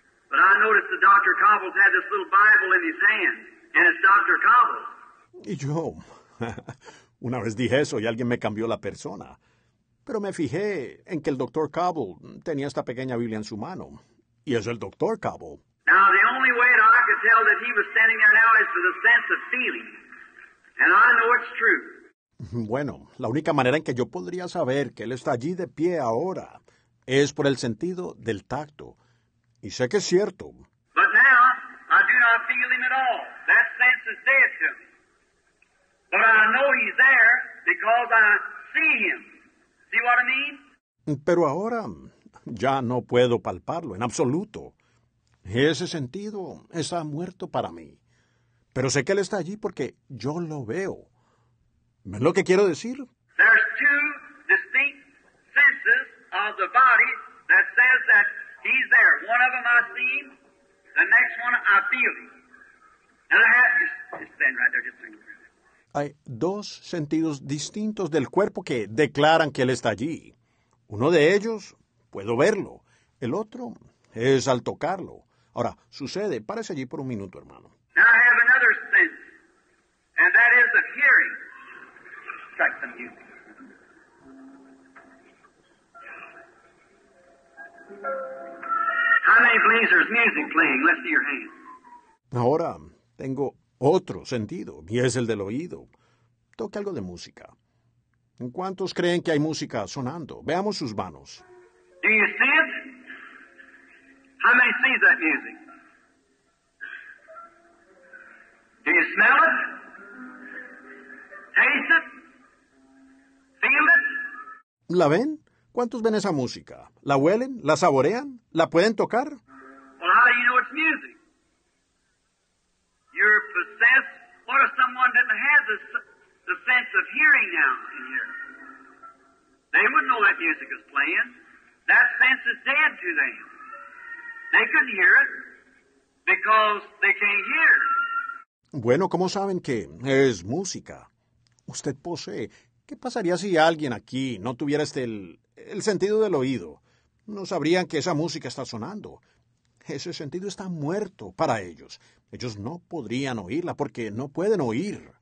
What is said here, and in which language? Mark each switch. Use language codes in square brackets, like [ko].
[en] But I noticed that Dr. Cobble's had this little Bible in his hand and it's Dr. Cobble. [es] Y yo, una vez dije eso y alguien me cambió la persona. Pero me fijé en que el Dr. Cobble tenía esta pequeña Biblia en su mano. Y es el Dr. Cobble. [en] Now, the only way that I could tell that he was standing there now is with a sense of feeling. And I know it's true. [es] Bueno, la única manera en que yo podría saber que él está allí de pie ahora es por el sentido del tacto. Y sé que es cierto. [en] But now, I do not feel him at all. That sense is dead to me. But I know he's there because I see him. See what I mean? [es] Pero ahora ya no puedo palparlo en absoluto. Ese sentido está muerto para mí. Pero sé que él está allí porque yo lo veo. ¿Ven lo que quiero decir? [en] There's two distinct senses of the body that says that he's there. One of them I see him, the next one I feel him. And I have just stand right there, just stand right. [es] Hay dos sentidos distintos del cuerpo que declaran que él está allí. Uno de ellos, puedo verlo. El otro es al tocarlo. Ahora, sucede. Párese allí por un minuto, hermano. [en] Now I have another sense, and that is of hearing. Strike some music. How many believe there's music playing? Let's see your hand. [es] Ahora, tengo otro sentido, y es el del oído. Toque algo de música. ¿Cuántos creen que hay música sonando? Veamos sus manos. [en] Do you see it? How many see that music? Do you smell it? Taste it? Feel it? [es] ¿La ven? ¿Cuántos ven esa música? ¿La huelen? ¿La saborean? ¿La pueden tocar? [en] Well, how do you know it's music? You're possessed. What if someone didn't have the sense of hearing now in here? They wouldn't know that music is playing. That sense is dead to them. They couldn't hear it because they can't hear. [es] Bueno, ¿cómo saben que es música? Usted posee. ¿Qué pasaría si alguien aquí no tuviera el sentido del oído? No sabrían que esa música está sonando. Ese sentido está muerto para ellos. Ellos no podrían oírla porque no pueden oír.